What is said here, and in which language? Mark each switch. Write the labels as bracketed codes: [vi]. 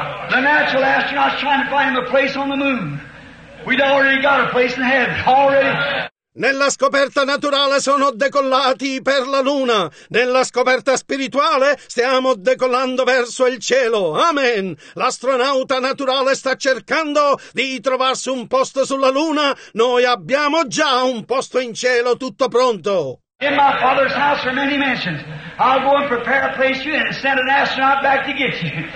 [en] The natural astronaut's trying to find a place on the moon. We've already got a place in heaven, already. [it] Nella scoperta naturale sono decollati per la luna. Nella scoperta spirituale stiamo decollando verso il cielo. Amen. L'astronauta naturale sta cercando di trovarsi un posto sulla luna. Noi abbiamo già un posto in cielo tutto pronto. [en] In my father's house for many mansions. I'll go and prepare a place for you and send an astronaut back to get you.